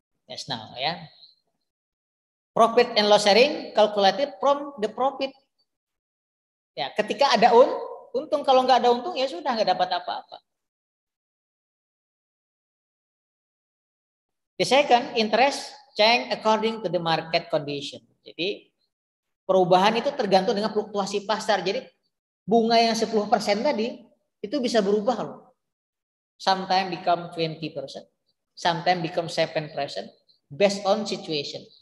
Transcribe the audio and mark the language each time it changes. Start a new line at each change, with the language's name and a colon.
English: Yes now Profit and loss sharing calculated from the profit.
Indonesian: Ketika ada untung, kalau nggak ada untung ya sudah nggak dapat apa-apa.
English: The second, interest change according to the market condition.
Indonesian: Jadi perubahan itu tergantung dengan fluktuasi pasar. Jadi bunga yang 10% tadi itu bisa berubah loh.
English: Sometimes become 20%, sometimes become 7% based on situation.